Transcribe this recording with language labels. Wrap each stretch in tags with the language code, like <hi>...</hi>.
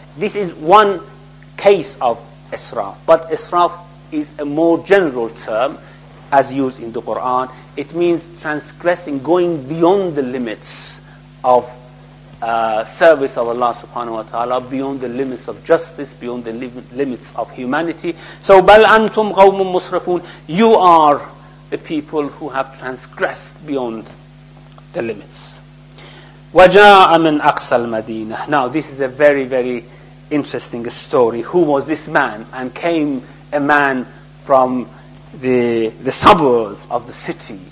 <en>This is one case of israf, but israf is a more general term as used in the Quran. It means transgressing, going beyond the limits of service of Allah subhanahu wa ta'ala, beyond the limits of justice, beyond the limits of humanity. So</en> <ar>بَلْ أَنْتُمْ قَوْمٌ مُسْرَفُونَ.</ar> <en>You are the people who have transgressed beyond the limits.</en> <ar>وَجَاءَ مِنْ أَقْسَى الْمَدِينَةِ.</ar> <en>Now this is a very, very interesting story. Who was this man? And came a man from the suburb of the city.</en>